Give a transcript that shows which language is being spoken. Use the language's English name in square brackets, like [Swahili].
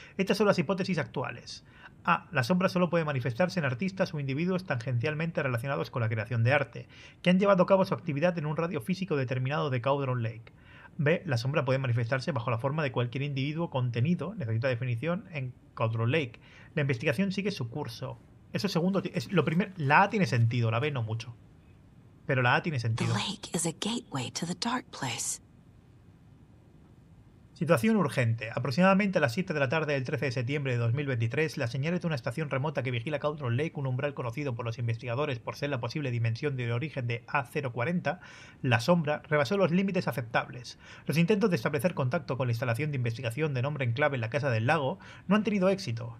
[Spanish] Estas son las hipótesis actuales. A. La sombra solo puede manifestarse en artistas o individuos tangencialmente relacionados con la creación de arte, que han llevado a cabo su actividad en un radio físico determinado de Cauldron Lake. B. La sombra puede manifestarse bajo la forma de cualquier individuo contenido, necesita definición, en Cauldron Lake. La investigación sigue su curso. Eso segundo, es lo primero. La A tiene sentido, la B no mucho. Pero la A tiene sentido. [English] The lake is a gateway to the dark place. [Spanish] Situación urgente. Aproximadamente a las 7 de la tarde del 13 de septiembre de 2023, las señales de una estación remota que vigila Cauldron Lake, un umbral conocido por los investigadores por ser la posible dimensión de origen de A040, la sombra, rebasó los límites aceptables. Los intentos de establecer contacto con la instalación de investigación de nombre en clave en la Casa del Lago no han tenido éxito.